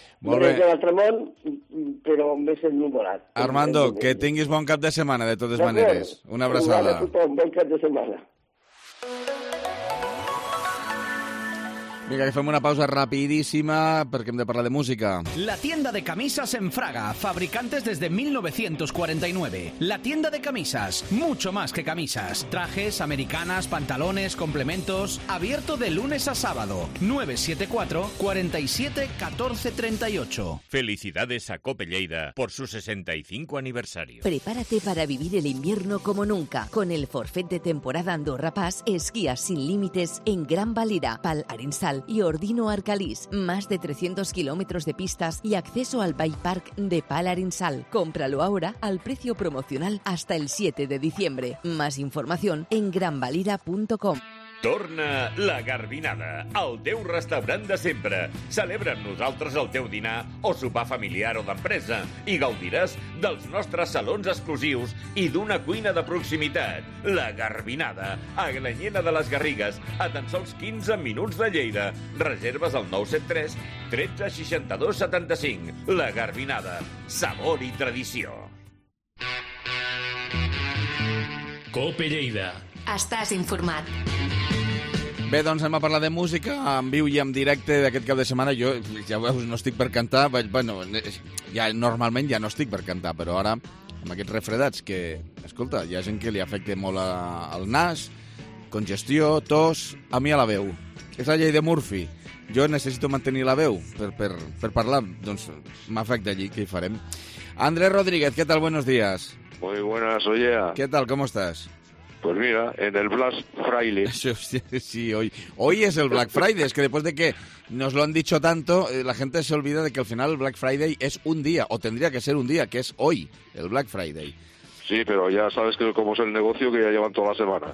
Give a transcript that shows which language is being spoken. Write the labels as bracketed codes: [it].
[ca] Molt bé. De l'altre món, però més ennuvolat. Armando, que tinguis bon cap de setmana, de totes maneres. Una abraçada. Bon cap de setmana. Vinga, que fem una pausa rapidíssima perquè hem de parlar de música. [es] La tienda de camisas en Fraga, fabricantes desde 1949. La tienda de camisas, mucho más que camisas. Trajes, americanas, pantalones, complementos. Abierto de lunes a sábado. 974-47-1438. Felicidades a Cope Lleida por su 65 aniversario. Prepárate para vivir el invierno como nunca. Con el forfait de temporada Andorra Pass, esquías sin límites en Gran Valira, Pal Arensal y Ordino Arcalís, más de 300 kilómetros de pistas y acceso al Bike Park de Pal Arensal. Cómpralo ahora al precio promocional hasta el 7 de diciembre. Más información en granvalira.com. [ca] Torna la Garbinada, el teu restaurant de sempre. Celebra amb nosaltres el teu dinar o sopar familiar o d'empresa i gaudiràs dels nostres salons exclusius i d'una cuina de proximitat. La Garbinada, a Granyena de les Garrigues, a tan sols 15 minuts de Lleida. Reserves al 973 13 62 75. La Garbinada, sabor i tradició. Cope Lleida. Estàs informat. Bé, doncs anem a parlar de música en viu i en directe d'aquest cap de setmana. Jo, ja veus, no estic per cantar. Bueno, ja, normalment ja no estic per cantar, però ara, amb aquests refredats que, escolta, hi ha gent que li afecta molt el nas, congestió, tos, a mi a la veu. És la llei de Murphy. Jo necessito mantenir la veu per parlar. Doncs m'afecta allí, què hi farem? Andrés Rodríguez, què tal? [es] Buenos días. Muy buenas, oye. [ca] Què tal? [es] ¿Cómo estás? Pues mira, en el Black Friday. Sí, hoy es el Black Friday. Es que después de que nos lo han dicho tanto, la gente se olvida de que al final el Black Friday es un día, o tendría que ser un día, que es hoy, el Black Friday. Sí, pero ya sabes que cómo es el negocio, que ya llevan toda la semana.